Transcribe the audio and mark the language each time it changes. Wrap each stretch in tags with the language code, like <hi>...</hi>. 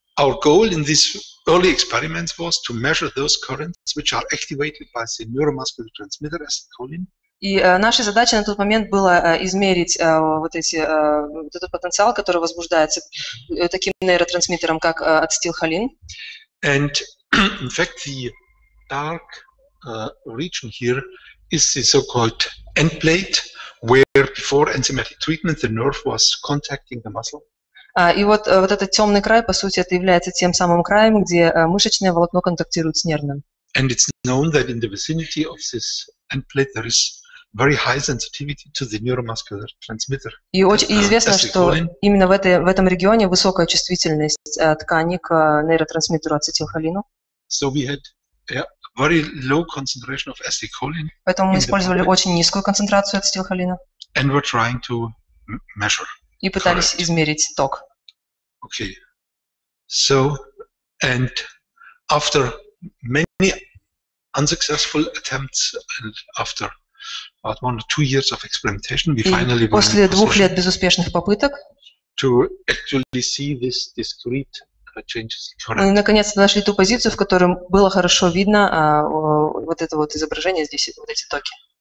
<en>Our goal in these early experiments was to measure those currents which are activated by the neuromuscular transmitter acetylcholine.</en> <ru>И наша задача на тот момент была измерить вот этот потенциал, который возбуждается таким нейротрансмиттером, как ацетилхолин.</ru> <en>And in fact, the dark region here is the so-called end plate, where before enzymatic treatment the nerve was contacting the muscle.</en> <ru>И вот этот темный край, по сути, это является тем самым краем, где мышечное волокно контактирует с нервным.</ru> <en>And it's known that in the vicinity of this end plate there is very high sensitivity to the neuromuscular transmitter.</en> <ru>И очень известно, что именно в этом регионе высокая чувствительность ткани к нейротрансмиттеру ацетилхолину.</ru> <en>So we had very low concentration of acetylcholine.</en> <ru>Поэтому мы использовали очень низкую концентрацию ацетилхолина.</ru> <en>And we're trying to measure.</en> <ru>И пытались измерить ток.</ru> <en>Okay. So and after many unsuccessful attempts and after about 1 or 2 years of experimentation, we finally were</en> <ru>после двух лет безуспешных попыток</ru> <en>to actually see this discrete changes.</en> <ru>Мы наконец-то нашли ту позицию, в которой было хорошо видно вот это вот изображение здесь, вот эти токи.</ru>